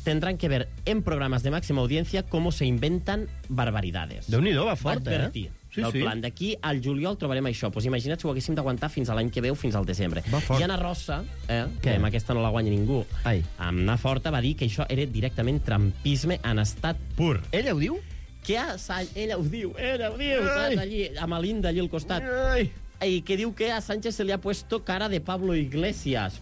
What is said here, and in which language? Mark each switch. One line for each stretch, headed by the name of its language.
Spanish: Tendrán que ver en programas de máxima audiencia cómo se inventan barbaridades.
Catalan: Déu-n'hi-do, va fort, va advertir. Sí. D'aquí al juliol trobarem això. Pues imagina't si ho haguéssim d'aguantar fins a l'any que veu, fins al desembre. I Ana Rosa, que amb aquesta no la guanya ningú, ai, amb una forta va dir que això era directament trumpisme en estat pur. Ella ho diu? Ella ho diu. Allí, amb l'Inda allí al costat. Ai. I que diu que a Sánchez se li ha puesto cara de Pablo Iglesias.